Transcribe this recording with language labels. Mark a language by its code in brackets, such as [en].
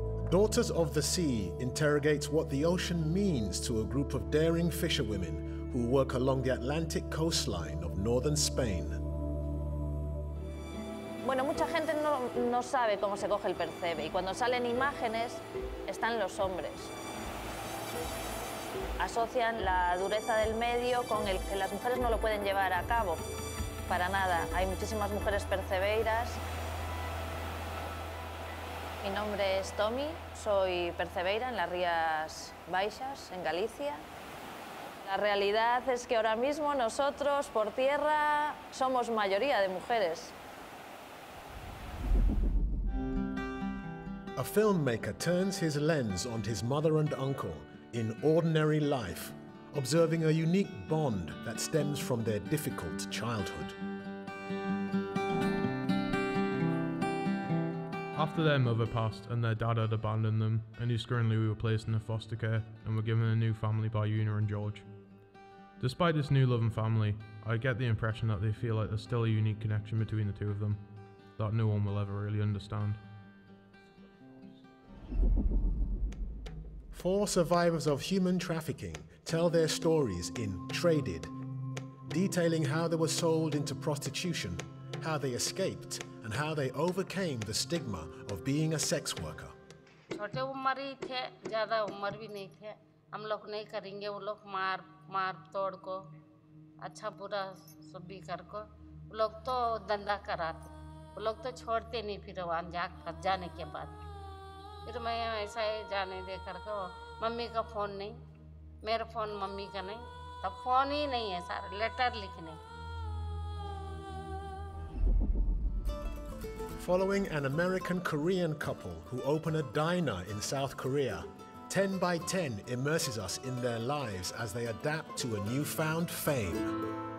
[en] Daughters of the Sea interrogates what the ocean means to a group of daring fisherwomen who work along the Atlantic coastline of northern Spain. [es] Bueno, mucha gente no sabe cómo se coge el percebe, y cuando salen imágenes están los hombres. Asocian la dureza del medio con el que las mujeres no lo pueden llevar a cabo. Para nada, hay muchísimas mujeres percebeiras. Mi nombre es Tommy, soy percebeira en las Rías Baixas, en Galicia. La realidad es que ahora mismo nosotros, por tierra, somos mayoría de mujeres. [en] A filmmaker turns his lens on his mother and uncle in ordinary life, observing a unique bond that stems from their difficult childhood. After their mother passed and their dad had abandoned them, and he's currently replaced in a foster care, and were given a new family by Una and George. Despite this new love and family, I get the impression that they feel like there's still a unique connection between the two of them, that no one will ever really understand. Four survivors of human trafficking tell their stories in Traded, detailing how they were sold into prostitution, how they escaped, and how they overcame the stigma of being a sex worker. [hi] छोटे उम्र ही थे, ज़्यादा उम्र भी नहीं थे. हम लोग नहीं करेंगे, वो लोग मार मार तोड़ को, अच्छा बुरा सब भी कर को, वो लोग तो धंधा कराते, वो लोग तो छोड़ते नहीं फिर वहाँ जाने के बाद. फिर मैं ऐसा ही जाने दे कर को, मम्मी का फोन नहीं, मेरा फोन मम्मी का नहीं, तब फोन ही नहीं है सारे लेटर लिखने. [en] Following an American-Korean couple who open a diner in South Korea, 10 by 10 immerses us in their lives as they adapt to a newfound fame.